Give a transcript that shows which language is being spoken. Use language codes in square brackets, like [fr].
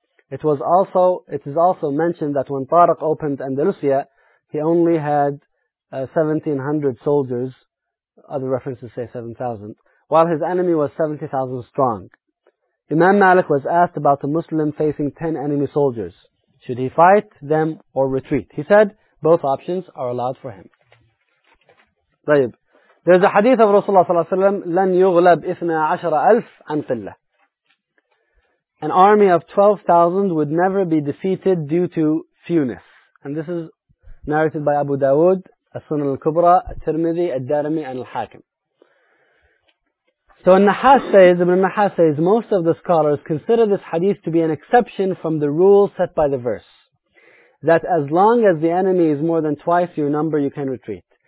[en] It is also mentioned that when Tariq opened Andalusia, he only had 1,700 soldiers, other references say 7,000, while his enemy was 70,000 strong. Imam Malik was asked about a Muslim facing 10 enemy soldiers. Should he fight them or retreat? He said, both options are allowed for him. [ar] طيب. [en] There's a hadith of Rasulullah صلى الله عليه وسلم, [ar] لن يغلب 12,000 عن قلة. [en] An army of 12,000 would never be defeated due to fewness. And this is narrated by Abu Dawood, As-Sunan al-Kubra, At-Tirmidhi, Ad-Darimi, and Al-Hakim. So Ibn Nahas says, most of the scholars consider this hadith to be an exception from the rule set by the verse, that as long as the enemy is more than twice your number, you can retreat.